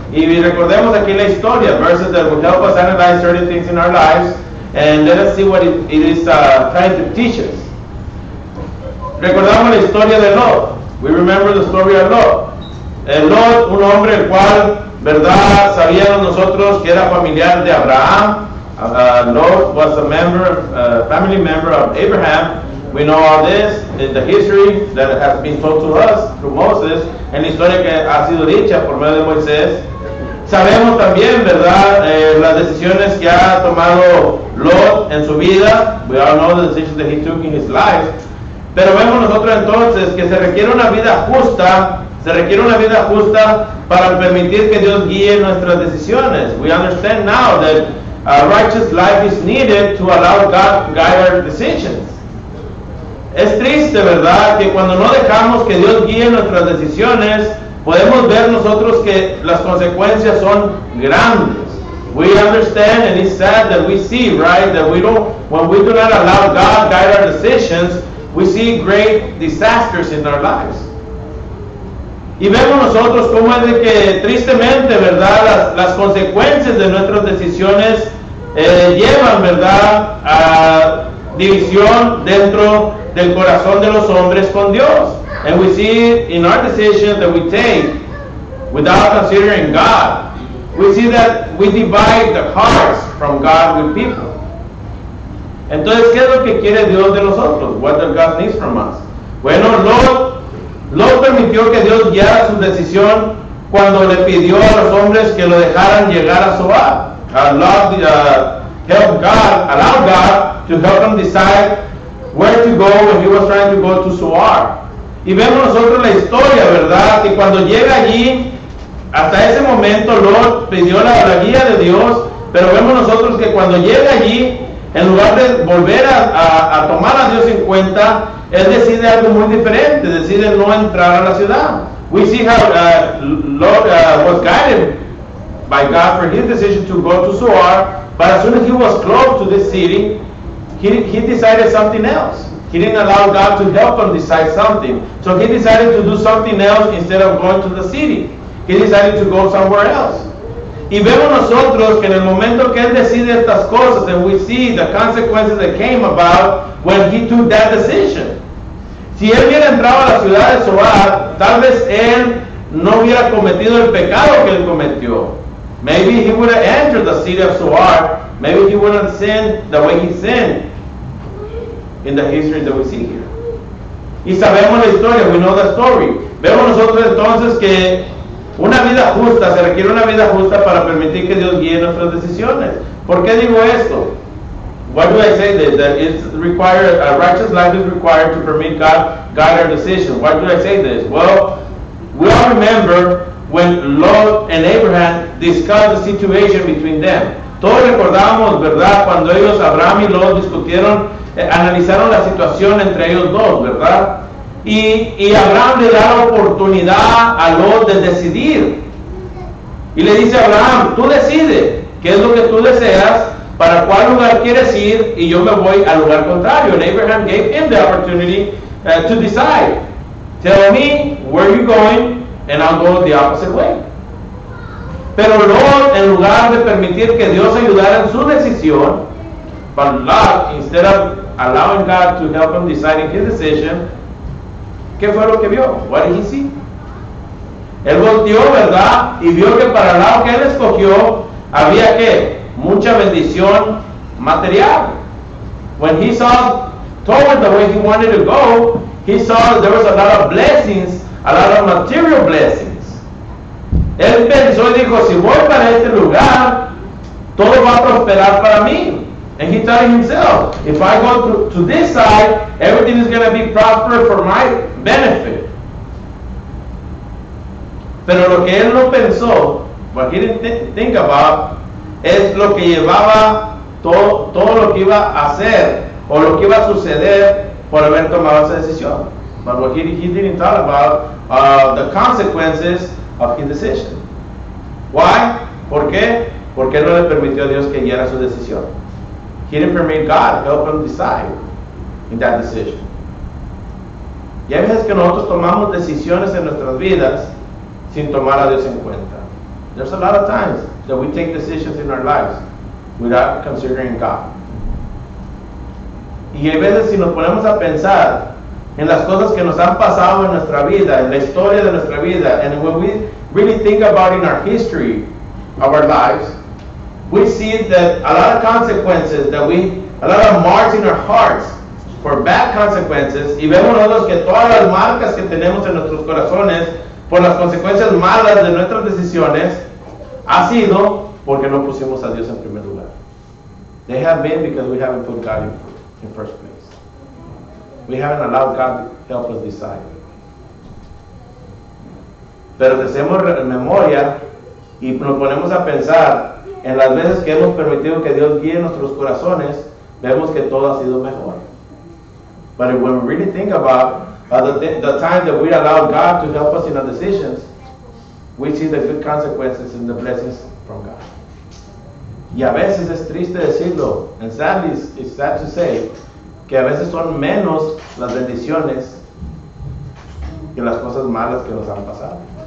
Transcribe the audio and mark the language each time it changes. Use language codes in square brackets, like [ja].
[es] Y recordemos aquí la historia, [en] verses that will help us analyze certain things in our lives, and let us see what it is trying to teach us. [es] Recordamos la historia de Lot. [en] We remember the story of Lot. [es] Lot, un hombre el cual, verdad, sabíamos nosotros que era familiar de Abraham. [en] Lot was a member, family member of Abraham. We know all this in the history that has been told to us through Moses, [es] en la historia que ha sido dicha por medio de Moisés. Sabemos también, verdad, las decisiones que ha tomado Lot en su vida. [en] We all know the decisions that he took in his life. [es] Pero vemos nosotros entonces que se requiere una vida justa, se requiere una vida justa para permitir que Dios guíe nuestras decisiones. [en] We understand now that a righteous life is needed to allow God to guide our decisions. [es] Es triste, ¿verdad?, que cuando no dejamos que Dios guíe nuestras decisiones, podemos ver nosotros que las consecuencias son grandes. [en] We understand, and it's sad that we see, right, that when we do not allow God to guide our decisions, we see great disasters in our lives. [es] Y vemos nosotros cómo es de que tristemente, ¿verdad?, las consecuencias de nuestras decisiones llevan, ¿verdad?, a división dentro del corazón de los hombres con Dios. [en] And we see in our decisions that we take without considering God, we see that we divide the hearts from God with people. [es] Entonces, ¿qué es lo que quiere Dios de nosotros? [en] What does God need from us? [es] Bueno, Lot permitió que Dios guiara su decisión cuando le pidió a los hombres que lo dejaran llegar a Zoar. [en] Allowed God to help him decide where to go when he was trying to go to Zoar. [es] Y vemos nosotros la historia, ¿verdad? Que cuando llega allí, hasta ese momento Lot pidió la guía de Dios, pero vemos nosotros que cuando llega allí, en lugar de volver a tomar a Dios en cuenta, él decide algo muy diferente, decide no entrar a la ciudad. [en] We see how Lot was guided by God for his decision to go to Zoar, but as soon as he was close to this city, he decided something else. He didn't allow God to help him decide something. So he decided to do something else instead of going to the city. He decided to go somewhere else. [es] Y vemos nosotros que en el momento que él decide estas cosas, [en] and we see the consequences that came about when he took that decision. [es] Si él hubiera entrado a la ciudad de Zoar, tal vez él no hubiera cometido el pecado que él cometió. [en] Maybe he would have entered the city of Zoar. Maybe he wouldn't have sinned the way he sinned in the history that we see here. [es] Y sabemos la historia, [en] we know the story. [es] Vemos nosotros entonces que una vida justa, se requiere una vida justa para permitir que Dios guíe nuestras decisiones. ¿Por qué digo esto? [en] Why do I say this? That it's required, a righteous life is required to permit God guide our decision. Why do I say this? Well, we all remember when Lot and Abraham discussed the situation between them. [es] Todos recordamos, ¿verdad?, cuando ellos, Abraham y Lot, discutieron, analizaron la situación entre ellos dos, ¿verdad? Y Abraham le da la oportunidad a Lot de decidir. Y le dice a Abraham, tú decide qué es lo que tú deseas, para cuál lugar quieres ir, y yo me voy al lugar contrario. [en] And Abraham gave him the opportunity to decide. Tell me where you're going, and I'll go the opposite way. [es] Pero Lot, en lugar de permitir que Dios ayudara en su decisión, [en] but Lot, instead of allowing God to help him deciding his decision, [es] ¿qué fue lo que vio? [en] What did he see? [es] Él volteó, ¿verdad? Y vio que para el lado que él escogió, había, ¿qué? Mucha bendición material. [en] When he saw toward the way he wanted to go, he saw there was a lot of blessings, a lot of material blessings. [es] Él pensó y dijo, si voy para este lugar, todo va a prosperar para mí. [en] And he told himself, if I go to this side, everything is going to be proper for my benefit. [es] Pero lo que él no pensó, [en] what he didn't think about, [es] es lo que llevaba todo lo que iba a hacer o lo que iba a suceder por haber tomado esa decisión. [en] But what he didn't talk about the consequences of his decision. Why? [es] ¿Por qué? ¿Por qué no le permitió a Dios que guiara su decisión? [en] He didn't permit God to help him decide in that decision. [es] Y hay veces que nosotros tomamos decisiones en nuestras vidas sin tomar a Dios en cuenta. [en] There's a lot of times that we take decisions in our lives without considering God. [es] Y hay veces si nos ponemos a pensar en las cosas que nos han pasado en nuestra vida, en la historia de nuestra vida, [en] and when we really think about in our history of our lives, we see that a lot of consequences that we, a lot of marks in our hearts for bad consequences, [es] y vemos nosotros que todas las marcas que tenemos en nuestros corazones por las consecuencias malas de nuestras decisiones ha sido porque no pusimos a Dios en primer lugar. [en] They have been because we haven't put God in first place. We haven't allowed God to help us decide. [es] Pero hacemos memoria y nos ponemos a pensar en las veces que hemos permitido que Dios guíe nuestros corazones, vemos que todo ha sido mejor. [en] But when we really think about the time that we allow God to help us in our decisions, we see the good consequences and the blessings from God. [es] Y a veces es triste decirlo, [en] and sadly, it's sad to say, [es] que a veces son menos las bendiciones que las cosas malas que nos han pasado.